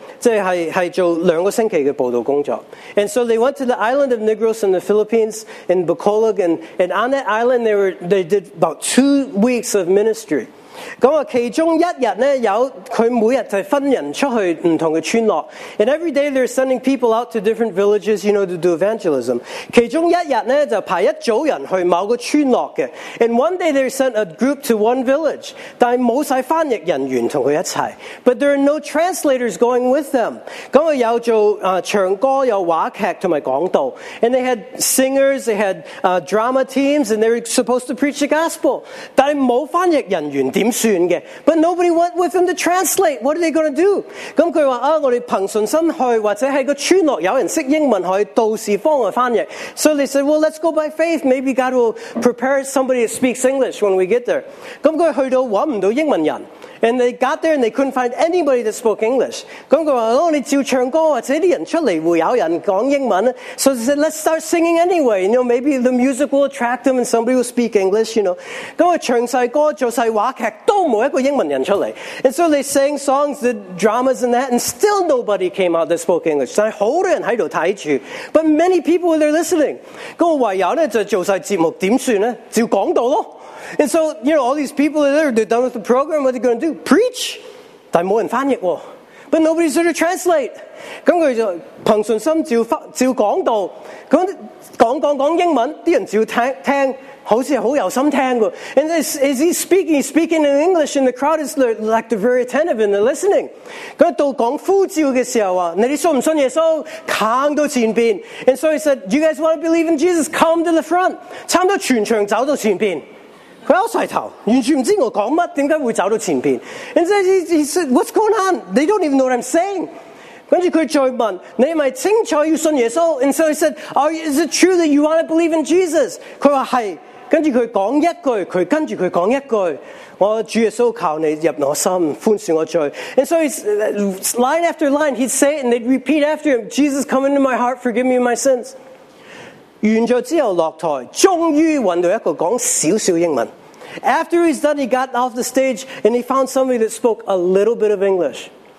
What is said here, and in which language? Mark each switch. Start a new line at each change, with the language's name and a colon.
Cantonese: 即係做兩個星期嘅報道工作。
English: And so they went to the island of Negros in the Philippines, in Bacolod, and on that island they did about 2 weeks of ministry.
Cantonese: 咁啊，其中一日咧，有佢每日就分人出去唔同嘅村落。
English: And every day they're sending people out to different villages, you know, to do evangelism.
Cantonese: 其中一日咧，就派一組人去某個村落嘅。
English: And one day they sent a group to one village,
Cantonese: 但係冇曬翻譯人員同佢一齊。
English: But there are no translators going with them.
Cantonese: 咁啊，有做唱歌、有話劇同埋講道。
English: And they had singers, they had drama teams, and they were supposed to preach the gospel.
Cantonese: 但係冇翻譯人員點？
English: But nobody went with him to translate. What are they going to do?
Cantonese: 咁佢话啊，我哋凭信心去，或者喺个村落有人识英文，可以到时帮我翻译。
English: So they said, well, let's go by faith. Maybe God will prepare somebody that speaks English when we get there.
Cantonese: 咁佢去到揾唔到英文人。
English: And they got there and they couldn't find anybody that spoke English.
Cantonese: 咁佢話：哦，你照唱歌或者啲人出嚟會有人講英文。
English: So they said, let's start singing anyway. You know, maybe the music will attract them and somebody will speak English, you know.
Cantonese: 咁佢唱曬歌做曬話劇都冇一個英文人出嚟。
English: And so they sang songs, did dramas and that, and still nobody came out that spoke English.
Cantonese: 但係好多人喺度睇住。
English: But many people were there listening.
Cantonese: 咁我唯有咧就做曬節目點算咧？照講道咯。
English: And so, you know, all these people are there, they're done with the program, what are they going to do? Preach!
Cantonese: 但没人翻译哦。
English: But nobody's there to translate.
Cantonese: 咁佢就凭信心照讲道，咁讲英文，啲人照听，好似好有心听噶。
English: And as he's speaking in English, and the crowd is like the very attentive and they're listening.
Cantonese: 咁到讲呼召嘅时候啊，你哋信唔信耶稣？行到前边。
English: And so he said, do you guys want to believe in Jesus? Come to the front.
Cantonese: 差唔多全场走到前边。佢拗晒头，完全唔知我讲乜，点解会走到前边 ？
English: And so he said, "What's going on? They don't even know what I'm saying."
Cantonese: 跟住佢再问，你咪清楚要信耶稣 ？
English: And so he said, "Is it true that you want to believe in Jesus?"
Cantonese: 佢话系，跟住佢讲一句，佢跟住佢讲一句，我主耶稣求你入我心，宽恕我罪。
English: And so he's line after line, he'd say it and they'd repeat after him, "Jesus, come into my heart, forgive me my sins."
Cantonese: 完咗之后落台，终于揾到一个讲少少英文。
English: After he's done, he got off the stage and he found somebody that spoke a little bit of English.